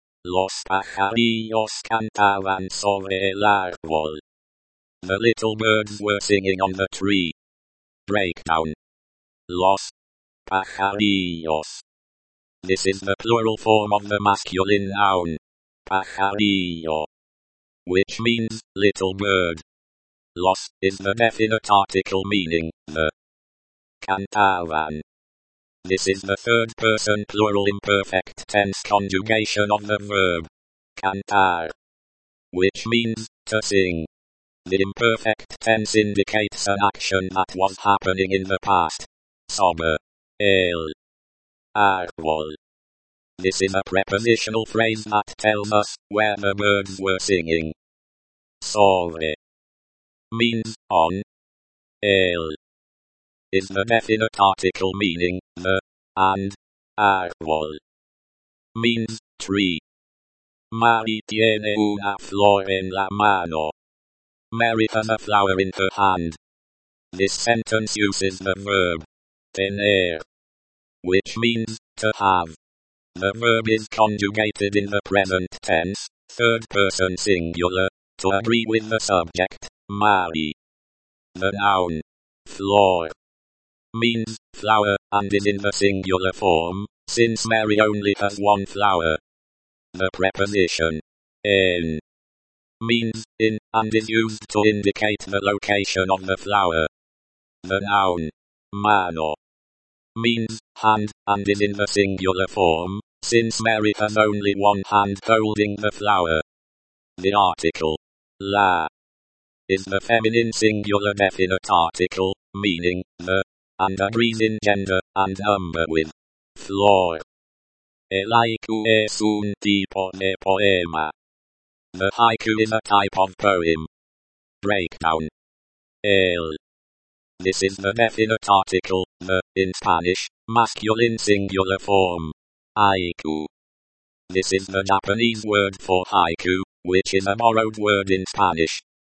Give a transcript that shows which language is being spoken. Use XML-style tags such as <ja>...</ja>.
<es>Los pajarillos cantaban sobre el árbol.</es> <en>The little birds were singing on the tree. Breakdown.</en> <es>Los pajarillos.</es> <en>This is the plural form of the masculine noun.</en> <es>Pajarillo.</es> <en>Which means, little bird. Los is the definite article meaning, the.</en> <es>Cantaban.</es> <en>This is the third person plural imperfect tense conjugation of the verb.</en> <es>Cantar.</es> <en>Which means, to sing. The imperfect tense indicates an action that was happening in the past.</en> <es>Sobre. El. Árbol.</es> <en>This is a prepositional phrase that tells us where the birds were singing.</en> <es>Sobre.</es> <en>Means, on.</en> <es>El.</es> <en>Is the definite article meaning, the, and,</en> <es>árbol.</es> <en>Means, tree.</en> <es>Mary tiene una flor en la mano.</es> <en>Mary has a flower in her hand. This sentence uses the verb,</en> <es>tener,</es> <en>which means, to have. The verb is conjugated in the present tense, third person singular, to agree with the subject, Mary. The noun,</en> <es>flor.</es> <en>Means, flower, and is in the singular form, since Mary only has one flower. The preposition,</en> <es>en,</es> <en>means, in, and is used to indicate the location of the flower. The noun,</en> <es>mano,</es> <en>means, hand, and is in the singular form, since Mary has only one hand holding the flower. The article,</en> <es>la,</es> <en>is the feminine singular definite article, meaning, the. And agrees in gender and number with</en> <es>flor. El haiku es un tipo de poema.</es> <en>The haiku is a type of poem. Breakdown.</en> <es>El.</es> <en>This is the definite article, the, in Spanish, masculine singular form. Haiku. This is the Japanese word for haiku, which is a borrowed word in Spanish.</en>